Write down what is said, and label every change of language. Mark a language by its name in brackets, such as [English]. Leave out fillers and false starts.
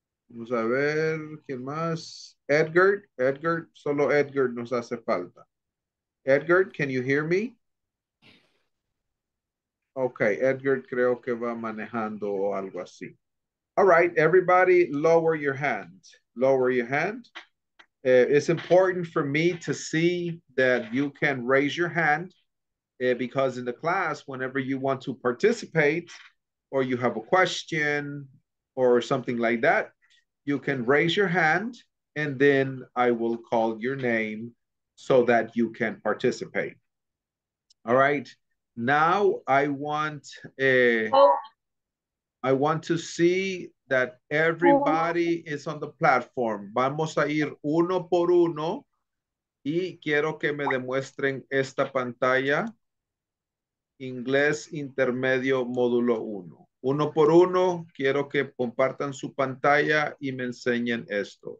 [Spanish] Vamos a ver, ¿quién más? Edgar, solo Edgar nos hace falta. [English] Edgar, can you hear me? [Spanish] Okay, Edgar creo que va manejando o algo así. [English] All right, everybody, lower your hand. Lower your hand. It's important for me to see that you can raise your hand because in the class, whenever you want to participate or you have a question or something like that, you can raise your hand and then I will call your name so that you can participate. All right. Now I want to see that everybody is on the platform. [Spanish] Vamos a ir uno por uno y quiero que me demuestren esta pantalla. Inglés Intermedio Módulo 1. uno por uno, quiero que compartan su pantalla y me enseñen esto.